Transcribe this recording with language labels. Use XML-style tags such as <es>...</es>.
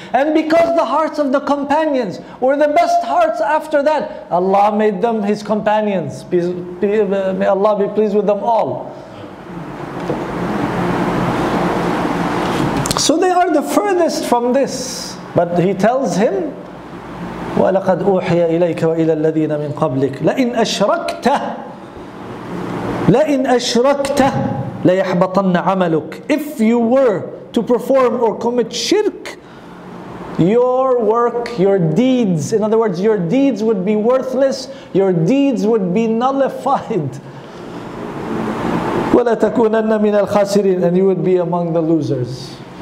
<en>And because the hearts of the companions were the best hearts after that, Allah made them His companions. May Allah be pleased with them all. So they are the furthest from this. But He tells him,</en> <ar>وَلَقَدْ أُوحِيَ إِلَيْكَ وَإِلَى الَّذِينَ مِنْ قَبْلِكَ لَإِنْ أَشْرَكْتَ لَإِنْ أَشْرَكْتَ لَيَحْبَطَنَّ عَمَلُكَ.</ar> <en>If you were to perform or commit shirk, your work, your deeds, in other words, your deeds would be worthless, your deeds would be nullified.</en> <ar>وَلَتَكُونَنَّ مِنَ الْخَاسِرِينَ.</ar> <en>And you would be among the losers.</en>